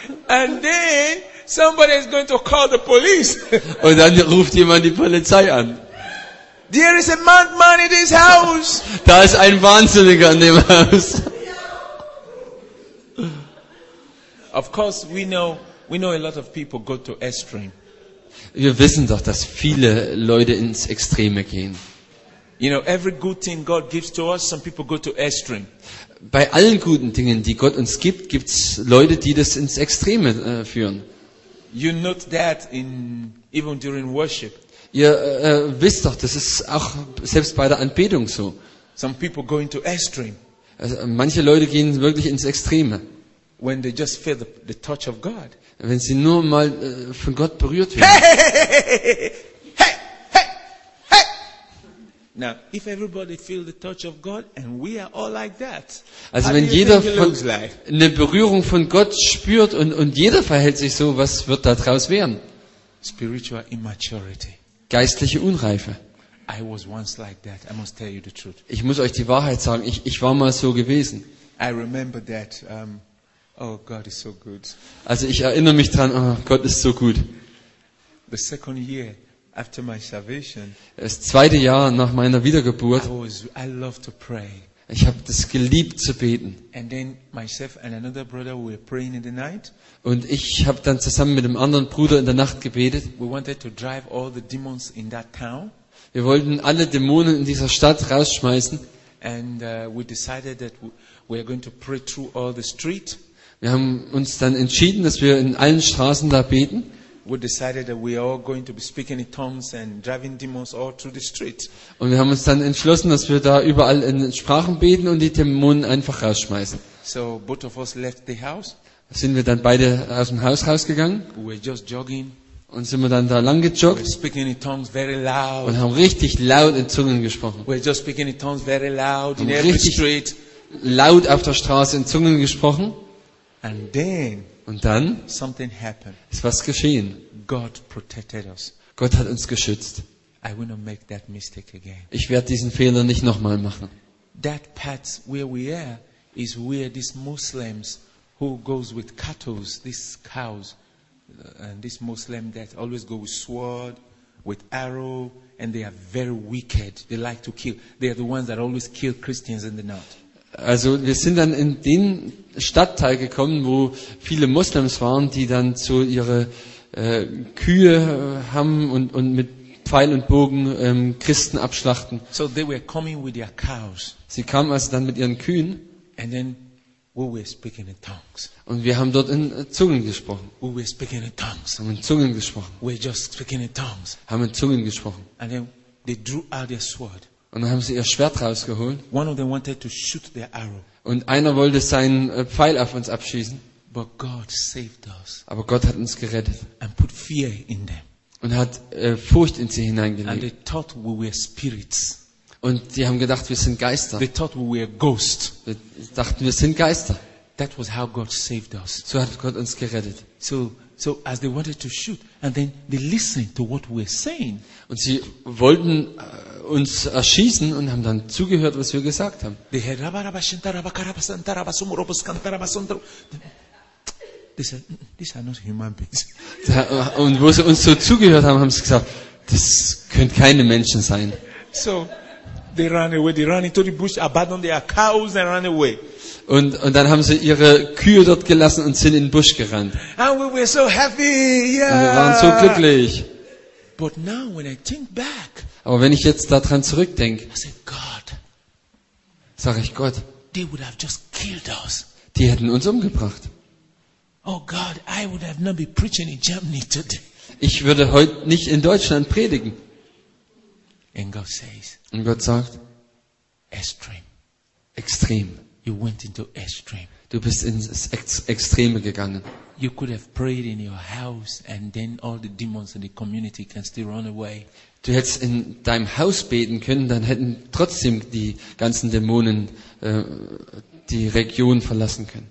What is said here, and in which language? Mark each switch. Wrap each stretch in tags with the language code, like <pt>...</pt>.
<en>And then somebody is going to call the police.</en> <de>Und dann ruft jemand die Polizei an.</de> <en>There is a madman in this house.</en> <de>Da ist ein Wahnsinniger in dem Haus.</de> <en>Of course, we know a lot of people go to extreme.</en> <de>Wir wissen doch, dass viele Leute ins Extreme gehen.</de> <en>You know, every good thing God gives to us, some people go to extreme.</en> <de>Bei allen guten Dingen, die Gott uns gibt, gibt's Leute, die das ins Extreme führen.</de> <en>You note that in even during worship.</en> <de>Ihr wisst doch, das ist auch selbst bei der Anbetung so.</de> <en>Some people go into extreme.</en> <de>Manche Leute gehen wirklich ins Extreme.</de> <en>When they just feel the touch of God.</en> <de>Wenn sie nur mal von Gott berührt werden. Hey, hey, hey, hey, hey, hey.</de> <en>Now, if everybody feel the touch of God and we are all like that.</en> <de>Also wenn jeder von eine Berührung von Gott spürt und jeder verhält sich so, was wird da draus werden?</de> <en>Spiritual immaturity.</en> <de>Geistliche Unreife.</de> <en>I was once like that. I must tell you the truth.</en> <de>Ich muss euch die Wahrheit sagen. Ich war mal so gewesen.</de> <en>I remember that. Oh, God is so good.</en> <de>Also ich erinnere mich dran. Oh, Gott ist so gut.</de> <en>The second year after my salvation.</en> <de>Das zweite Jahr nach meiner Wiedergeburt.</de> <en>I love to pray.</en> <de>Ich habe das geliebt zu beten.</de> <en>And then myself and another brother were praying in the night.</en> <de>Und ich habe dann zusammen mit einem anderen Bruder in der Nacht gebetet.</de> <en>We wanted to drive all the demons in that town.</en> <de>Wir wollten alle Dämonen in dieser Stadt rausschmeißen.</de> <en>And we decided that we are going to pray through all the street.</en> <de>Wir haben uns dann entschieden, dass wir in allen Straßen da beten.</de> <en>We decided that we are all going to be speaking in tongues and driving demons all through the street.</en> <de>Und wir haben uns dann entschlossen, dass wir da überall in Sprachen beten und die Dämonen einfach rausschmeißen.</de> <en>So both of us left the house.</en> <de>Sind wir dann beide aus dem Haus rausgegangen?</de> <en>We were just jogging.</en> <de>Und sind wir dann da lang gejoggt?</de> <en>We were speaking in tongues very loud.</en> <de>Und haben richtig laut in Zungen gesprochen.</de> <en>We were just speaking in tongues very loud in every street.</en> <de>Laut auf der Straße in Zungen gesprochen.</de> <en>And then.</en> <de>Und dann</de> <en>something happened.</en> <de>Ist was geschehen.</de> <en>God protected us.</en> <de>Gott hat uns geschützt.</de> <en>I will not make that mistake again.</en> <de>Ich werde diesen Fehler nicht nochmal machen.</de> <en>That path where we are is where these Muslims who goes with cattle, these cows, and this Muslim that always go with sword, with arrow, and they are very wicked. They like to kill. They are the ones that always kill Christians in the north.</en> <de>Also wir sind dann in den Stadtteil gekommen, wo viele Moslems waren, die dann so ihre Kühe haben und mit Pfeil und Bogen Christen abschlachten.</de> <en>So they were coming with their cows.</en> <de>Sie kamen also dann mit ihren Kühen.</de> <en>And then we were speaking in tongues.</en> <de>Und wir haben dort in Zungen gesprochen.</de> <en>We were speaking in tongues.</en> <de>Haben in Zungen gesprochen.</de> <en>We were just speaking in tongues.</en> <de>Haben in Zungen gesprochen.</de> <en>And then they drew out their sword.</en> <de>Und dann haben sie ihr Schwert rausgeholt.</de> <en>One of them wanted to shoot their arrow.</en> <de>Und einer wollte seinen Pfeil auf uns abschießen.</de> <en>But God saved us.</en> <de>Aber Gott hat uns gerettet.</de> <en>And put fear in them.</en> <de>Und hat Furcht in sie hineingelegt.</de> <en>And they thought we were spirits.</en> <de>Und die haben gedacht, wir sind Geister.</de> <en>They thought we were ghosts.</en> <de>Wir dachten, wir sind Geister.</de> <en>That was how God saved us.</en> <de>So hat Gott uns gerettet.</de> <en>So as they wanted to shoot, and then they listened to what we were saying.</en> <de>Und sie wollten uns erschießen und haben dann zugehört, was wir gesagt haben. Die sagen,</de> <en>these are not human beings.</en> <de>Und wo sie uns so zugehört haben, haben sie gesagt, das können keine Menschen sein.</de> <en>So, they ran away, they ran into the bush, abandoned their cows and ran away.</en> <de>Und dann haben sie ihre Kühe dort gelassen und sind in den Busch gerannt.</de> <en>And we were so happy, yeah.</en> <de>Und wir waren so glücklich.</de> <en>But now, when I think back,</en> <de>aber wenn ich jetzt daran zurückdenke,</de> <en>I said, God,</en> <de>sag ich Gott,</de> <en>they would have just killed us.</en> <de>Die hätten uns umgebracht.</de> <en>Oh God, I would have not been preaching in Germany today.</en> <de>Ich würde heute nicht in Deutschland predigen.</de> <en>And God says,</en> <de>und Gott sagt,</de> <en>extrem. You went into extreme.</en> <de>Du bist ins Extreme gegangen.</de> <en>You could have prayed in your house and then all the demons in the community can still run away.</en> <de>Du hättest in deinem Haus beten können, dann hätten trotzdem die ganzen Dämonen die Region verlassen können.</de>